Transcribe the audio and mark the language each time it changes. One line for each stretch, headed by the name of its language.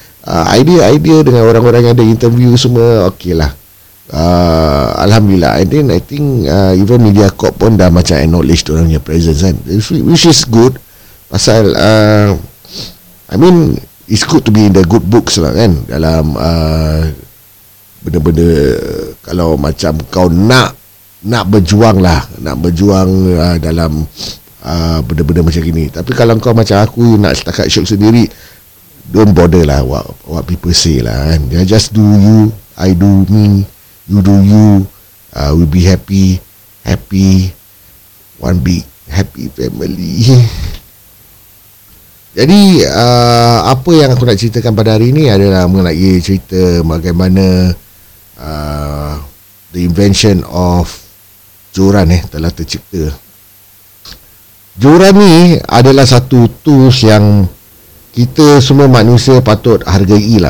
Malay: Idea-idea dengan orang-orang yang ada interview semua, okey lah. Alhamdulillah.
English: And then I think even MediaCorp
Malay: pun dah macam
English: acknowledge
Malay: orang punya
English: presence kan, which is good.
Malay: Pasal
English: I mean, it's good to be in the good books lah kan.
Malay: Dalam benda-benda, kalau macam kau nak berjuang lah, nak berjuang dalam benda-benda macam gini. Tapi kalau kau macam aku, nak setakat syuk sendiri,
English: don't bother
Malay: lah
English: what people say
Malay: lah kan.
English: They just do you, I do me, you do you, we'll be happy, happy, one big happy family.
Malay: Jadi apa yang aku nak ceritakan pada hari ini adalah mengenai cerita bagaimana
English: the invention of
Malay: joran telah tercipta. Joran ni adalah satu tools yang kita semua manusia patut hargai lah.